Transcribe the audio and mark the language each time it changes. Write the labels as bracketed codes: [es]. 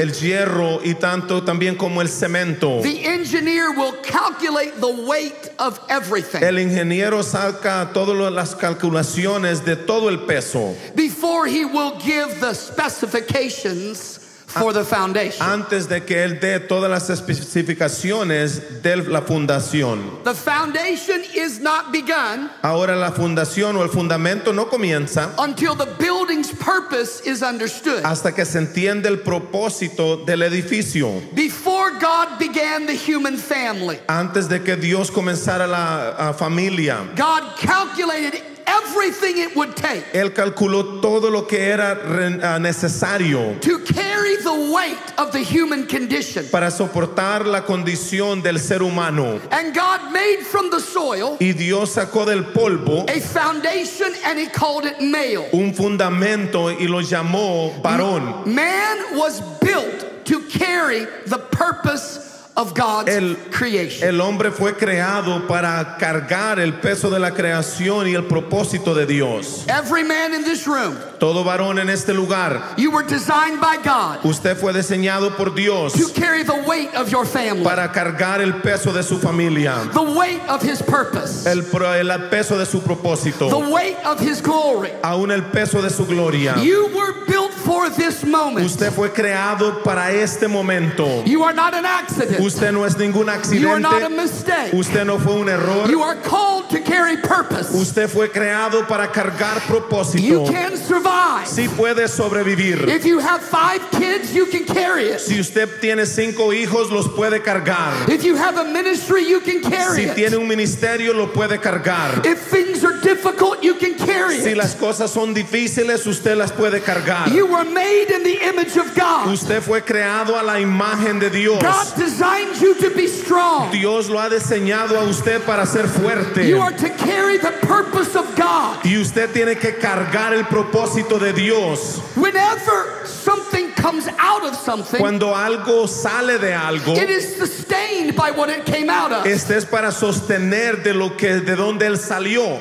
[es] El hierro y tanto también como el cemento. [en] The engineer will calculate the weight of everything. [es] El ingeniero saca todas las calculaciones de todo el peso. [en] Before he will give the specifications for the foundation. [es] Antes de que él dé todas las especificaciones de la fundación. [en] The foundation is not begun. [es] Ahora la fundación o el fundamento no comienza. [en] Until the building's purpose is understood. [es] Hasta que se entiende el propósito del edificio. [en] Before God began the human family. [es] Antes de que Dios comenzara la familia. [en] God calculated everything it would take. [es] Él calculó todo lo que era necesario. [en] To carry the weight of the human condition. [es] Para soportar la condición del ser humano. [en] And God made from the soil. [es] Y Dios sacó del polvo. [en] A foundation, and he called it male. [es] Un fundamento y lo llamó varón. [en] Man was built to carry the purpose of God's creation. [es] El hombre fue creado para cargar el peso de la creación y el propósito de Dios. [en] Every man in this room. [es] Todo varón en este lugar. [en] You were designed by God. [es] Usted fue diseñado por Dios. [en] To carry the weight of your family. [es] Para cargar el peso de su familia. [en] The weight of his purpose. [es] El peso de su propósito. [en] The weight of his glory. [es] Aún el peso de su gloria. [en] You were built for this moment. [es] Usted fue creado para este momento. [en] You are not an accident. [es] Usted no es ningún accidente. [en] You are not a mistake. [es] Usted no fue un error. [en] You are called to carry purpose. [es] Usted fue creado para cargar propósito. [en] You can survive. [es] Si puede sobrevivir. [en] If you have 5 kids, you can carry it. [es] Si usted tiene 5 hijos, los puede cargar. [en] If you have a ministry, you can carry [es] si [en] it. [es] Si tiene un ministerio, lo puede cargar. [en] If things are difficult, you can carry [es] si [en] it. [es] Si las cosas son difíciles, usted las puede cargar. [en] You were made in the image of God. [es] Usted fue creado a la imagen de Dios. [en] Designed you to be strong. [es] Dios lo ha diseñado a usted para ser fuerte. [en] You are to carry the purpose of God. [es] Y usted tiene que cargar el propósito de Dios. [en] Whenever something comes out of something, [es] cuando algo sale de algo, [en] it is sustained by what it came out of. [es] Este es para sostener de lo que de donde él salió.